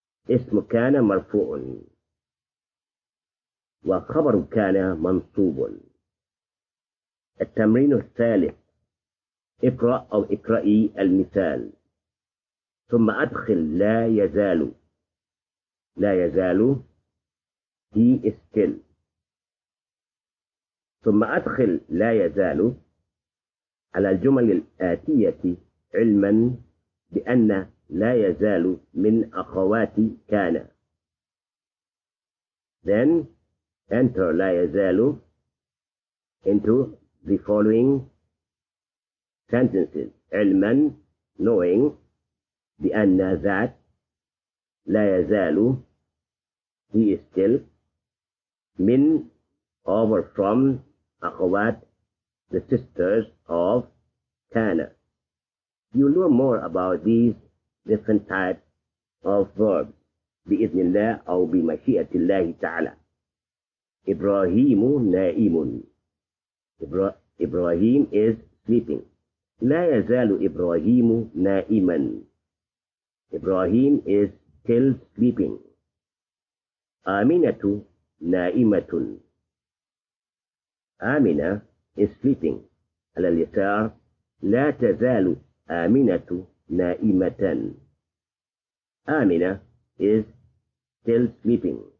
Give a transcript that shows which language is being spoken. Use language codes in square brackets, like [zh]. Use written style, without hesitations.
[ar] اسم كان مرفوع وخبر كان منصوب. التمرين الثالث، اقرأ أو اقرأي المثال ثم أدخل لا يزال. لا يزال، [en] he is still. [ar] ثم أدخل لا يزال على الجمل الآتية علما بأن لا يزال من أخوات كان. [en] Then enter [ar] لا يزال [en] into the following sentences علما knowing بأن that لا يزال he is still من over from أخوات the sisters of كان. You learn more about these different types of verbs [ar] بإذن الله أو بمشيئة الله تعالى. إبراهيم نائم. [en] إبراهيم is sleeping. [ar] لا يزال إبراهيم نائما. [en] إبراهيم is still sleeping. [ar] آمنة نائمة. [en] آمنة is sleeping. [ar] على اليسار، لا تزال آمنة نائمة. [en] آمنة is still sleeping.